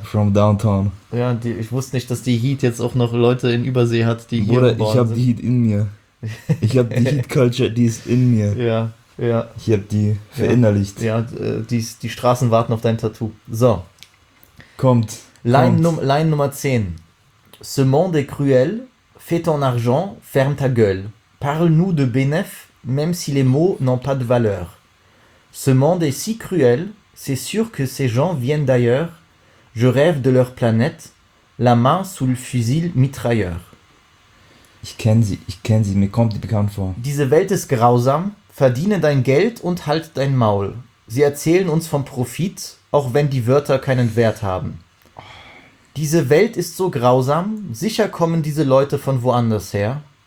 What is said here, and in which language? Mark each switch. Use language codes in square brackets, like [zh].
[en] From downtown. [de] Ja, ich wusste nicht, dass die Heat jetzt auch noch Leute in Übersee hat, die hier geboren sind. Ich hab die Heat in mir. Ich hab die Heat-Culture, die ist in mir. Ja, ja. Ich hab die verinnerlicht. Ja, die Straßen warten auf dein Tattoo. So. Kommt. Line Nummer 10. [fr] Ce monde est cruel, fais ton argent, ferme ta gueule. Parle-nous de bénéf, même si les mots n'ont pas de valeur. Ce monde est si cruel, c'est sûr que ces gens viennent d'ailleurs. Je rêve de leur planète, la main sous le fusil mitrailleur. [de] Ich kenne sie, mir kommt die bekannt vor. Diese Welt ist grausam, verdiene dein Geld und halt dein Maul. Sie erzählen uns vom Profit, auch wenn die Wörter keinen Wert haben. Diese Welt ist so grausam, sicher kommen diese Leute von woanders her.